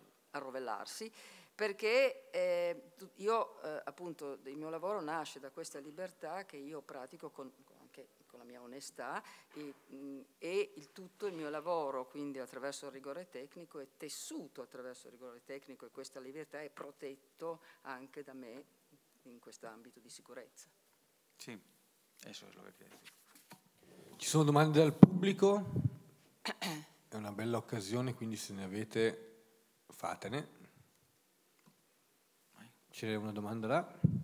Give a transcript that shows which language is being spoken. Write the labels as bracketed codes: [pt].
[it] arrovellarsi, perché io appunto il mio lavoro nasce da questa libertà che io pratico con la mia onestà, e il tutto il mio lavoro, quindi attraverso il rigore tecnico, è tessuto attraverso il rigore tecnico, e questa libertà è protetto anche da me in questo ambito di sicurezza. [es] Sì, eso es lo que quiero decir. [it] Ci sono domande dal pubblico? È una bella occasione, quindi se ne avete, fatene. C'è una domanda là.